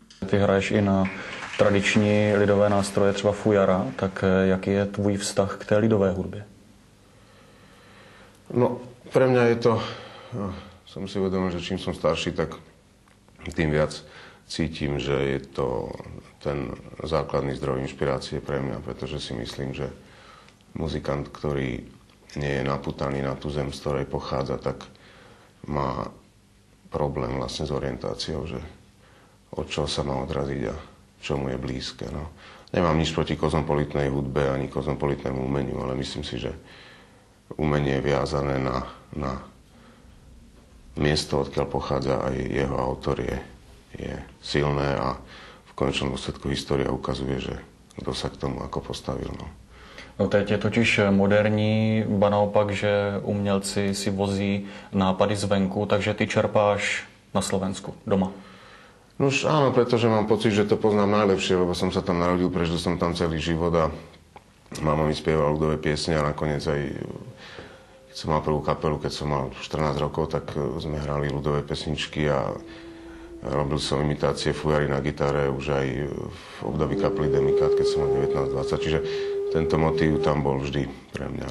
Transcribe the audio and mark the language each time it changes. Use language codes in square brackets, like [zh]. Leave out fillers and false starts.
[cs] Ty hraješ i na tradiční lidové nástroje, třeba fujara, tak jaký je tvůj vztah k té lidové hudbě? [sk] No, pre mňa je to, som si uvedomil, že čím som starší, tak tým viac cítim, že je to ten základný zdroj inšpirácie pre mňa, pretože si myslím, že muzikant, ktorý nie je napútaný na tú zem, z ktorej pochádza, tak má problém vlastne s orientáciou, že od čoho sa má odraziť a čomu je blízke. No. Nemám nič proti kozmopolitnej hudbe ani kozmopolitnému umeniu, ale myslím si, že umenie je viazané na miesto, odkiaľ pochádza, aj jeho autor je silné a v konečnom dôsledku história ukazuje, že kto sa k tomu ako postavil. No. [cs] No teď je totiž moderní, ba naopak, že umělci si vozí nápady zvenku, takže ty čerpáš na Slovensku, doma. [sk] No už áno, pretože mám pocit, že to poznám najlepšie, lebo som sa tam narodil, prežil som tam celý život a mama mi spievala ľudové piesne a nakoniec aj, keď som mal prvú kapelu, keď som mal 14 rokov, tak sme hrali ľudové pesničky a robil som imitácie fujary na gitare už aj v období kapely Demikát, keď som mal 19-20, čiže tento motív tam bol vždy pre mňa.